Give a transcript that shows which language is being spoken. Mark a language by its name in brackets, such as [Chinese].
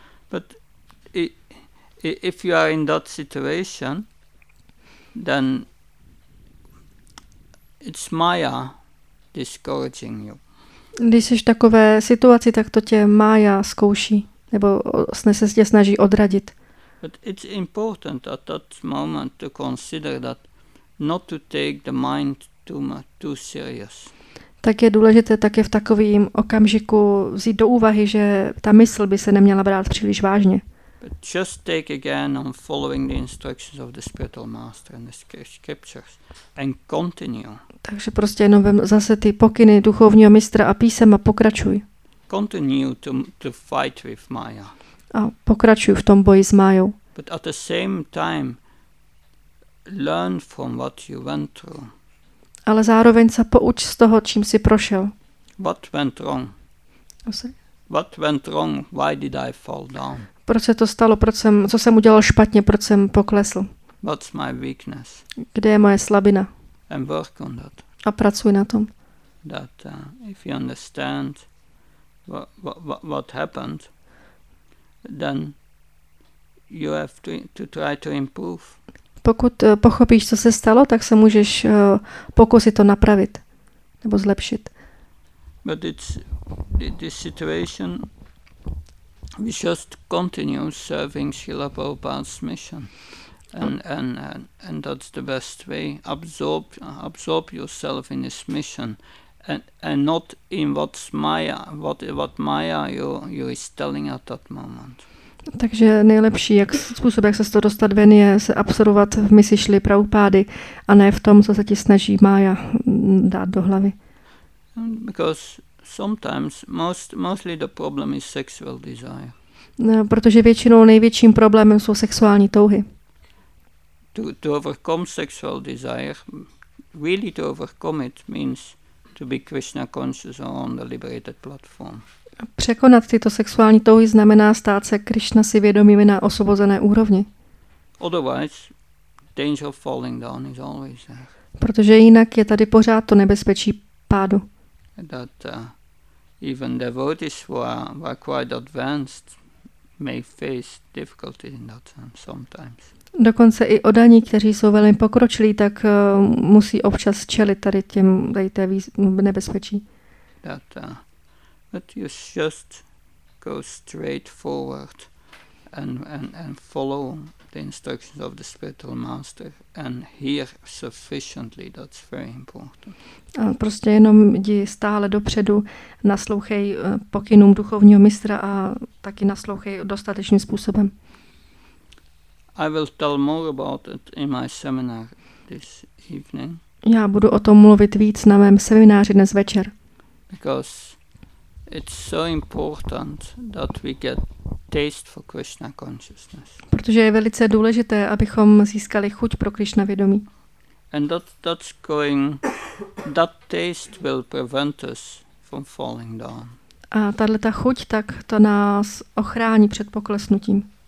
[English] But if you are in that situation, then it's Maya discouraging you. [Czech] Když jsi v takové situaci, tak to tě Maya zkouší, nebo se tě snaží odradit. [English] But it's important at that moment to consider that, not to take the mind too serious. [Czech] Tak je důležité také v takovém okamžiku vzít do úvahy, že ta mysl by se neměla brát příliš vážně. [English] But just take again on following the instructions of the spiritual master and the scriptures and continue. [Czech] Takže prostě jenom vem zase ty pokyny duchovního mistra a písem a pokračuj. [English] Continue to fight with Maya. [Czech] A pokračuj v tom boji s Majou. [English] But at the same time learn from what you went through. [Czech] Ale zároveň se pouč z toho, čím jsi prošel. [English] What went wrong? What went wrong? Why did I fall down? [Czech] Proč se to stalo? Co jsem udělal špatně? Proč jsem poklesl? [English] What's my weakness? [Czech] Kde je moje slabina? [English] And work on that. [Czech] A pracuj na tom. [English] That if you understand what happened, then you have to try to improve. [Czech] Pokud pochopíš, co se stalo, tak se můžeš pokusit to napravit nebo zlepšit. [English] But it's this situation. We just continue serving Srila Prabhupada's mission, and that's the best way. Absorb yourself in his mission, and not in what Maya you is telling at that moment. [Czech] Takže nejlepší způsob, jak se z toho dostat ven, je se absorbovat v misi Šily Prabhupády a ne v tom, co se ti snaží Maya dát do hlavy. [English] Because sometimes mostly the problem is sexual desire. [Czech] No, protože většinou největším problémem jsou sexuální touhy. [English] To overcome sexual desire, really to overcome it means to be Krishna conscious on the liberated platform. [Czech] Překonat tyto sexuální touhy znamená stát se Krishna si vědomými na osvobozené úrovni. [English] Otherwise, danger of falling down is always there. [Czech] Protože jinak je tady pořád to nebezpečí pádu. [English] That even devotees who are quite advanced may face difficulties in that sense sometimes. [Czech] Dokonce i odaní, kteří jsou velmi pokročilí, tak musí občas čelit tady těm nebezpečí. [English] But you just go straight forward and follow the instructions of the spiritual master and hear sufficiently. That's very important. [Czech] A prostě jenom jdi stále dopředu, naslouchej pokynům duchovního mistra a taky naslouchej dostatečným způsobem. [English] I will tell more about it in my seminar this evening. [Czech] Já budu o tom mluvit víc na mém semináři dnes večer. [English] Because it's so important that we get taste for Krishna consciousness. [Czech] Protože je velice důležité, abychom získali chuť pro Krishna vědomí. [English] And that taste will prevent us from falling down. [Czech] A tahle ta chuť, tak to nás ochrání před poklesnutím.